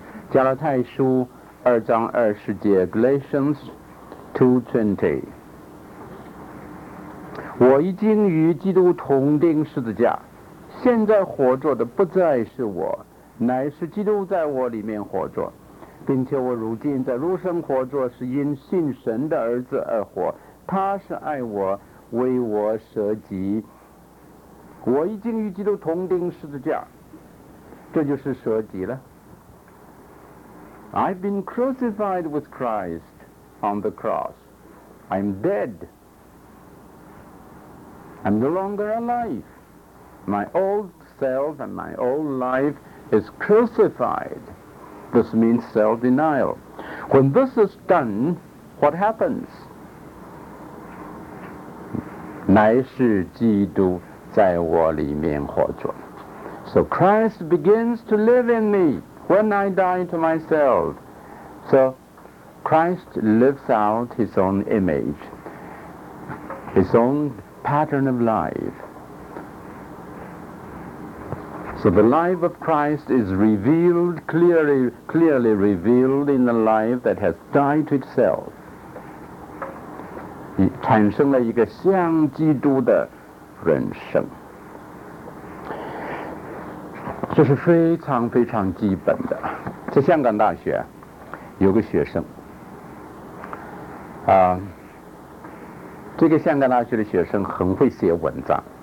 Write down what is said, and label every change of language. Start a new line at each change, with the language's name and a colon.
Chinese: 加拉太书二章二十节 Galatians 2:20, 我已经与基督同钉十字架，现在活着的不再是我，乃是基督在我里面活着，并且我如今在肉身活着，是因信神的儿子而活，他是爱我，为我舍己。我已经与基督同钉十字架，这就是舍己了。
English: I've been crucified with Christ on the cross. I'm dead. I'm no longer alive. My old self and my old life is crucified. This means self-denial. When this is done, what happens?
Chinese: 乃是基督在我里面活着。
English: So Christ begins to live in me when I die to myself. So Christ lives out his own image, his own pattern of life. So the life of Christ is revealed, clearly revealed in the life that has died to itself.
Chinese: 产生了一个像基督的人生，这是非常非常基本的。在香港大学有个学生啊，这个香港大学的学生很会写文章。